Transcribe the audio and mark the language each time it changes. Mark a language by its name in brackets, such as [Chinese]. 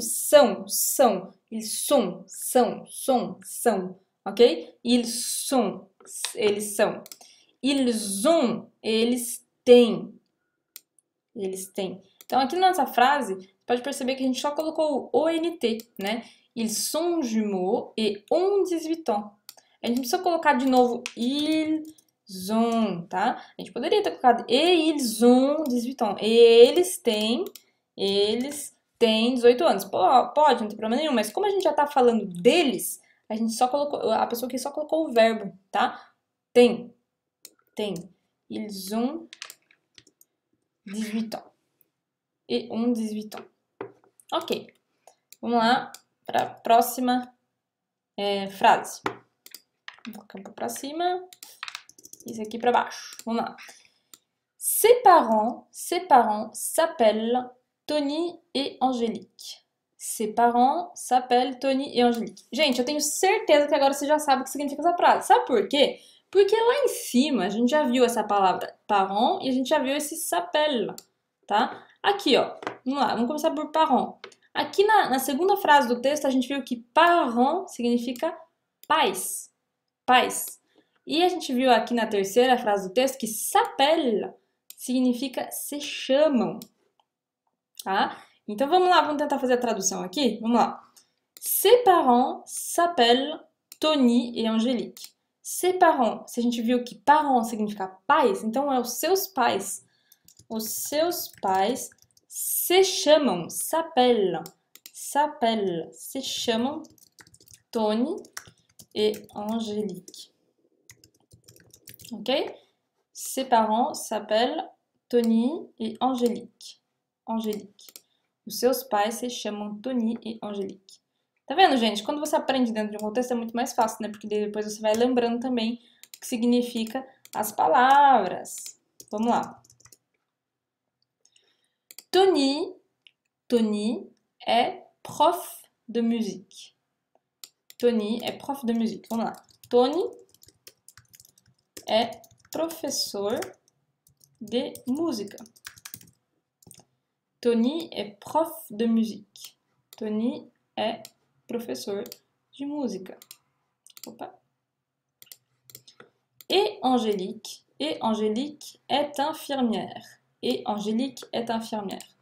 [Portuguese] São, são. [French] Ils sont, [Portuguese] são, são, são. Ok? [French] Ils sont, [Portuguese] eles são. [French] Ils ont, [Portuguese] eles têm. Eles têm. Então, aqui na nossa frase, pode perceber que a gente só colocou o ONT, né? [French] Ils sont jumeaux et ont 18 ans. [Portuguese] A gente precisa colocar de novo [French] ils ont, [Portuguese] tá? A gente poderia ter colocado [French] et ils ont 18 ans. [Portuguese] Eles têm, eles têm 18 anos. Pode, não tem problema nenhum, mas como a gente já tá falando deles, a gente só colocou, a pessoa aqui só colocou o verbo, tá? Tem. Tem. [French] Ils ont 18 ans. Et ont 18 ans. Ok. [Portuguese] Vamos lá para a próxima frase. Vou colocar um pouco para cima. Isso aqui para baixo. Vamos lá. [French] Ses parents s'appellent Tony et Angélique. Ses parents s'appellent Tony et Angélique. [Portuguese] Gente, eu tenho certeza que agora você já sabe o que significa essa frase. Sabe por quê? Porque lá em cima a gente já viu essa palavra parent e a gente já viu esse s'appellent, tá? Aqui, ó. Vamos lá. Vamos começar por parent. Aqui na segunda frase do texto a gente viu que parent significa pais. Pais. E a gente viu aqui na terceira frase do texto que s'appellent significa se chamam. Tá? Então vamos lá, vamos tentar fazer a tradução aqui. Vamos lá. [French] Ses parents s'appellent Tony et Angélique. Ses parents, [Portuguese] se a gente viu que parents significa pais, então é os seus pais. Os seus pais se chamam, [French] s'appellent, [Portuguese] se chamam Tony et Angélique. Ok? [French] Ses parents s'appellent Tony et Angélique. Angélique. [Portuguese] Os seus pais se chamam Tony e Angélique. Tá vendo, gente? Quando você aprende dentro de um contexto é muito mais fácil, né? Porque depois você vai lembrando também o que significa as palavras. Vamos lá. [French] Tony é prof de musique. Tony é prof de musique. [Portuguese] Vamos lá. Tony é professor de música. [French] Tony est prof de musique. Tony est professeur de musique. Opa. et Angélique. Et Angélique est infirmière. Et Angélique est infirmière.